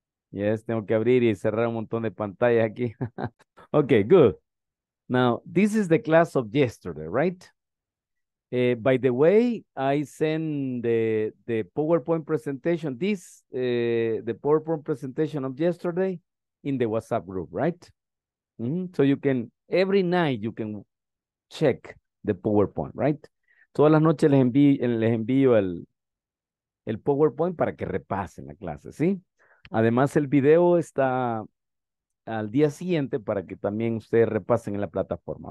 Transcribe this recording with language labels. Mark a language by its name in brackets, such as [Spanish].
[Spanish] Yes, tengo que abrir y cerrar un montón de pantallas aquí. [English] Okay, good. Now, this is the class of yesterday, right? By the way, I send the PowerPoint presentation, the PowerPoint presentation of yesterday in the WhatsApp group, right? So you can, every night you can check the PowerPoint, right? [Spanish] Todas las noches les envío el PowerPoint para que repasen la clase, ¿sí? Además, el video está al día siguiente para que también ustedes repasen en la plataforma.